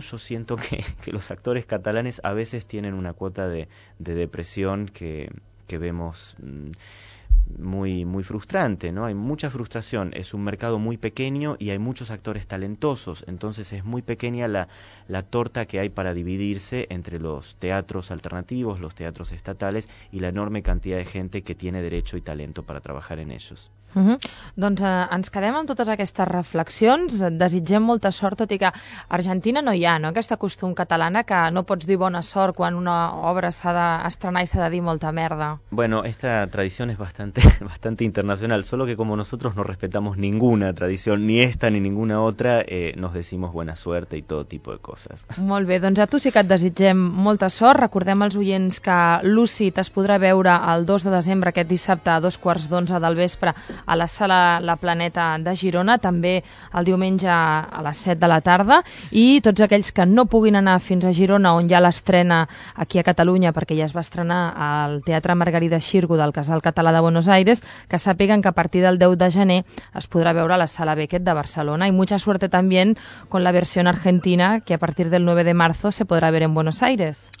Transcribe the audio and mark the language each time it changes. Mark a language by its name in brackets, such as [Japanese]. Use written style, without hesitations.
[Spanish] Yo siento que los actores catalanes a veces tienen una cuota de depresión que vemos muy, muy frustrante, ¿no? Hay mucha frustración. Es un mercado muy pequeño y hay muchos actores talentosos. Entonces es muy pequeña la torta que hay para dividirse entre los teatros alternativos, los teatros estatales y la enorme cantidad de gente que tiene derecho y talento para trabajar en ellos. [Catalan] Doncs ens quedem amb totes aquestes reflexions. Desitgem molta sort, tot i que a Argentina no hi ha, no?, aquesta costum catalana que no pots dir bona sort quan una obra s'ha d'estrenar i s'ha de dir molta merda. [Spanish] Bueno, esta tradición es bastante internacional, solo que como nosotros no respetamos ninguna tradición, ni esta ni ninguna otra, nos decimos buena suerte y todo tipo de cosas. [Catalan] Molt bé, doncs a tu sí que et desitgem molta sort. Recordem als oients que Lúcid es podrà veure el 2 de desembre, aquest dissabte, a 11:15 del vespre, a la sala La Planeta de Girona, també el diumenge a les 7 de la tarda, i tots aquells que no puguin anar fins a Girona, on ja l'estrena aquí a Catalunya, perquè ja es va estrenar al Teatre Margarida Xirgo del Casal Català de Buenos Aires, que sàpiguen que a partir del 10 de gener es podrà veure a la sala Beckett de Barcelona, i [Spanish] mucha suerte también con la versión argentina, que a partir del 9 de marzo se podrá ver en Buenos Aires.